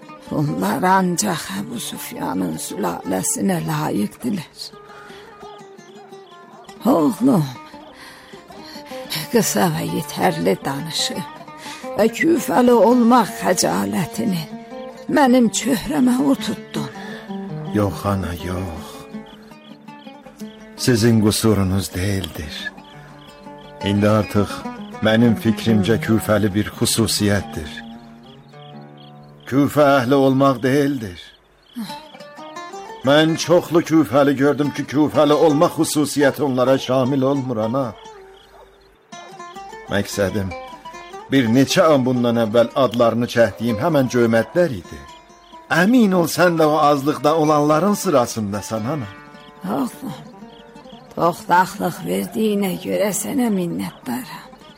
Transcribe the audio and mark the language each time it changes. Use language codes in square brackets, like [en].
[az] Bunlar ancaq Əbu Sufyanın sülaləsinə layiqdilər. Oğlum, qısa və yetərli danışıb və küfəli olmaq xəcalətini mənim çöhrəmə oturtdun. [tr] Yok ana yok. Sizin kusurunuz değildir. İndi artık benim fikrimce küfeli bir hususiyettir. Küfe ehli olmak değildir. Ben çoklu küfeli gördüm ki küfeli olmak hususiyeti onlara şamil olmur ana. [az] Məqsədim, bir neçə an bundan əvvəl adlarını çəkdiyim həmən cömətlər idi. Əmin ol, sən də o azlıqda olanların sırasındasan, ana. Oğlum, toxdaqlıq verdiyinə görə sənə minnətdaram.